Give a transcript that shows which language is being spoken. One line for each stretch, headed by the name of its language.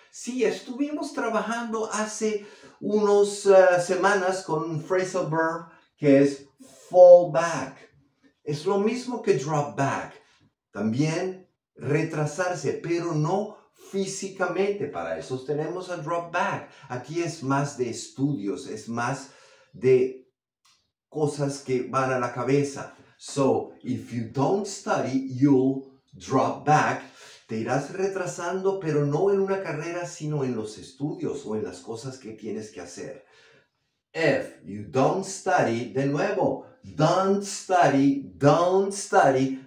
Spanish: Sí, estuvimos trabajando hace unos semanas con un phrasal verb que es fall back. Es lo mismo que drop back. También retrasarse, pero no físicamente. Para eso tenemos a drop back. Aquí es más de estudios, es más de cosas que van a la cabeza.
English: So, if you don't study, you'll drop back.
Spanish: Te irás retrasando, pero no en una carrera, sino en los estudios o en las cosas que tienes que hacer.
English: If you don't study,
Spanish: de nuevo,
English: don't study.